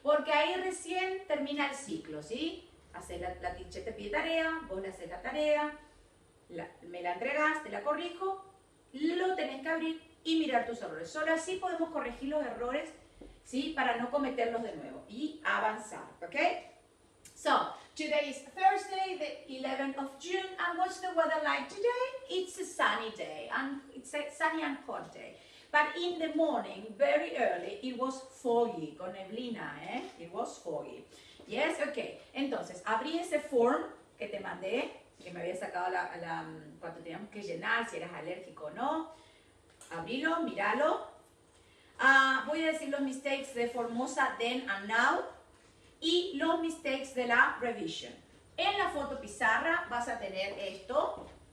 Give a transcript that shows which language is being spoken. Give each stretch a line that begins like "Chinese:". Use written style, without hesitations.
Spanish: Porque ahí recién termina el ciclo, ¿sí? Hacé la teacher te pide tarea, vos le haces la tarea, me la entregás, te la corrijo, lo tenés que abrir y mirar tus errores. Solo así podemos corregir los errores, ¿sí? Para no cometerlos de nuevo y avanzar, ¿ok?
English: So, today is Thursday, the 11th of June, and what's the weather like today? It's a sunny day, and it's a sunny and cold day. But in the morning, very early, it was foggy,
Spanish: con neblina,
English: ¿eh? It was foggy. Yes, okay.
Spanish: Entonces, abrí ese form que te mandé, que me había sacado la cuando teníamos que llenar, si eras alérgico o no. Abrilo, míralo. Voy a decir los mistakes de Formosa,
English: then and now.
Spanish: Y los mistakes de la revision. En la foto pizarra vas a tener esto.